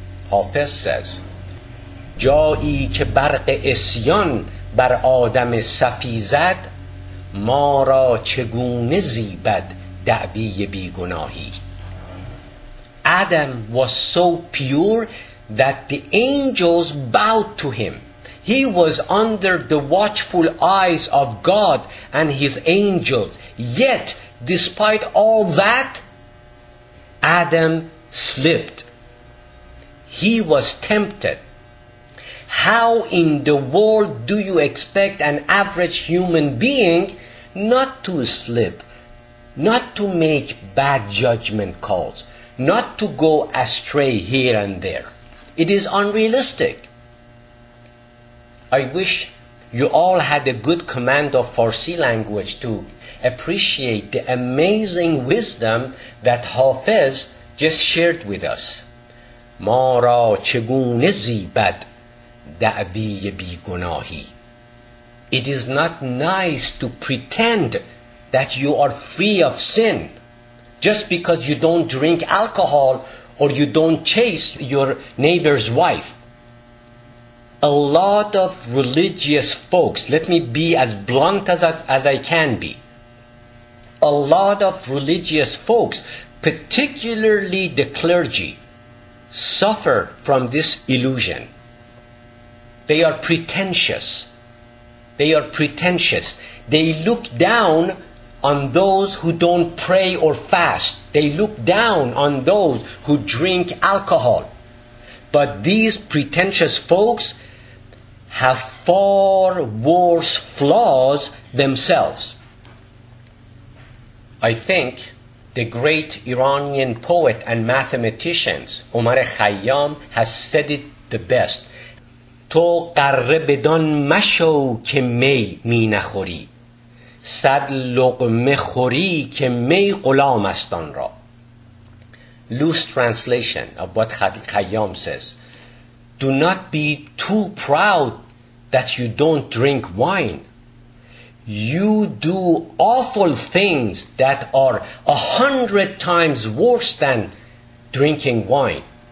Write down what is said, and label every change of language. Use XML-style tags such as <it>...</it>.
<en>Hafiz says,</en> <fa>جایی که برق اسیان بر آدم صفی زد ما را چگونه زیبد دعوی بیگناهی.</fa> <en>Adam was so pure that the angels bowed to him. He was under the watchful eyes of God and his angels. Yet, despite all that, Adam slipped. He was tempted. How in the world do you expect an average human being not to slip, not to make bad judgment calls, not to go astray here and there? It is unrealistic. I wish you all had a good command of Farsi language to appreciate the amazing wisdom that Hafiz just shared with us.</en> <fa>ما را چگونه زیبد دعوی بیگناهی.</fa> <en>It is not nice to pretend that you are free of sin just because you don't drink alcohol or you don't chase your neighbor's wife. A lot of religious folks, let me be as blunt as I can be, a lot of religious folks, particularly the clergy, suffer from this illusion. They are pretentious. They are pretentious. They look down on those who don't pray or fast. They look down on those who drink alcohol. But these pretentious folks have far worse flaws themselves. I think the great Iranian poet and mathematician Omar Khayyam has said it the best.</en> <fa>تو قره بدان مشو که می می نخوری صد لقمه خوری که می غلام است آن را.</fa> <en>Loose translation of what Khayyam says. Do not be too proud that you don't drink wine. You do awful things that are 100 times worse than drinking wine.</en>